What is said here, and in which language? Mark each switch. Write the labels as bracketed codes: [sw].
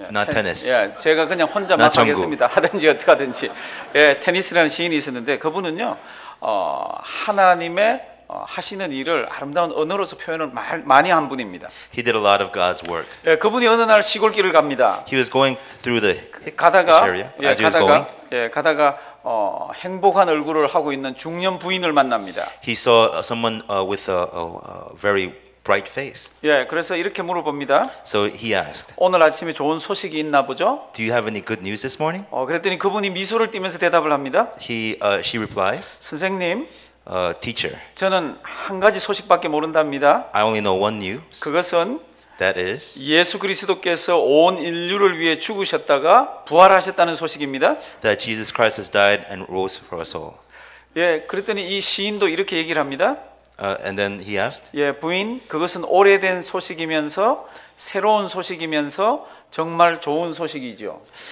[en] tennis. Tennis. [ko] 예, 제가 그냥 혼자만 하겠습니다. 하든지 어떻게든지. 예, 테니슨이라는 시인이 있었는데 그분은요. 하나님의 하시는 일을 아름다운 언어로서 표현을 많이 한 분입니다. [en] He did a lot of God's work. [ko] 예, 그분이 어느 날 시골길을 갑니다. [en] He was going through the [ko] 가다가 [en] area, 예, as he was [ko] 가다가 [en] going. [ko] 예, 가다가 행복한 얼굴을 하고 있는 중년 부인을 만납니다. [en] He saw someone with a very bright face. [ko] 예, 그래서 이렇게 물어봅니다. [en] So he asked. [ko] 오늘 아침에 좋은 소식이 있나 보죠? [en] Do you have any good news this morning? [ko] 그랬더니 그분이 미소를 띠면서 대답을 합니다. [en] She replies. [ko] 선생님. [en] Teacher. [ko] 저는 한 가지 소식밖에 모른답니다. [en] I only know one news. [ko] 그것은 [en] That is, [ko] 예수 그리스도께서 온 인류를 위해 죽으셨다가 부활하셨다는 소식입니다. [en] That Jesus Christ has died and rose for us all. [ko] 예, 그랬더니 이 시인도 이렇게 얘기를 합니다. [en] And then he asked. [ko] 예, 부인, 그것은 오래된 소식이면서 새로운 소식이면서 정말 좋은 소식이죠.